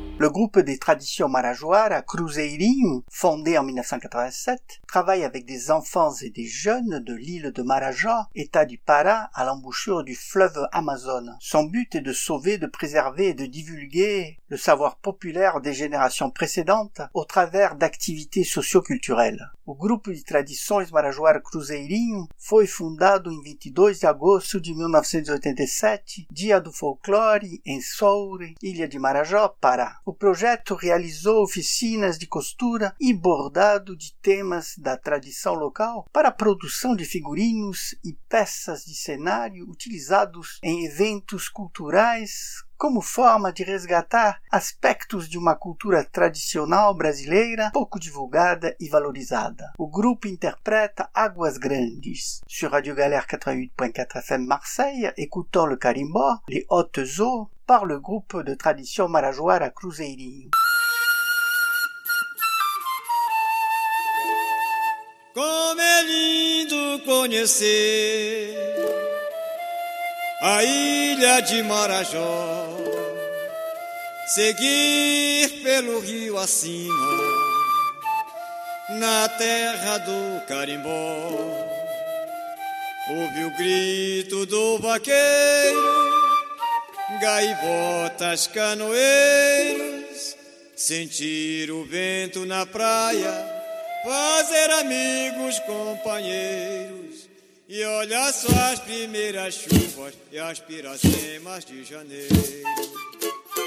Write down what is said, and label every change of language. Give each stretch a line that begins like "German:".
French: groupe des traditions marajoara, Cruzeirinho, fondé en 1987, travaille avec des enfants et des jeunes de l'île de Marajó, état du Pará, à l'embouchure du fleuve Amazon. Son but est de sauver, de préserver et de divulguer le savoir populaire des générations précédentes au travers d'activités socioculturelles.
Portuguese: O grupo de tradições marajoara Cruzeirinho foi fundado em 22 de agosto de 1987, Dia do Folclore, em Soure, Ilha de Marajó, Pará. O projeto realizou oficinas de costura e bordado de temas da tradição local para a produção de figurinos e peças de cenário utilizados em eventos culturais como forma de resgatar aspectos de uma cultura tradicional brasileira pouco divulgada e valorizada. O grupo interpreta Águas Grandes.
French: Sur Radio Galère 88.4 FM Marseille, écoutant le carimbó, les hautes eaux, par le groupe de tradition marajoara Cruzeirinho.
Portuguese: Como é lindo conhecer a ilha de Marajó. Seguir pelo rio acima, na terra do carimbó, ouve o grito do vaqueiro, gaivotas, canoeiros, sentir o vento na praia, fazer amigos, companheiros, e olhar só as primeiras chuvas e as piracemas de janeiro.